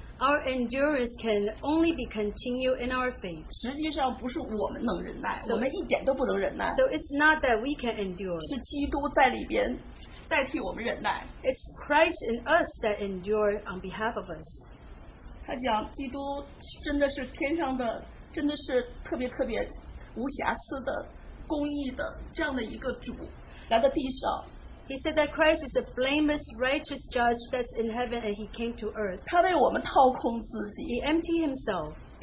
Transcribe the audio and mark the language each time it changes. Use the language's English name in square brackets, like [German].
[English] Our endurance can only be continued in our faith. [Chinese] 实际上不是我们能忍耐， so, 我们一点都不能忍耐。 [English] So it's not that we can endure. [Chinese] 是基督在里边代替我们忍耐。 [English] It's Christ in us that endure on behalf of us. [Chinese] 他讲基督真的是天上的，真的是特别特别无瑕疵的，公义的这样的一个主来到地上。 [English] He said that Christ is a blameless, righteous judge that's in heaven and he came to earth. He emptied himself.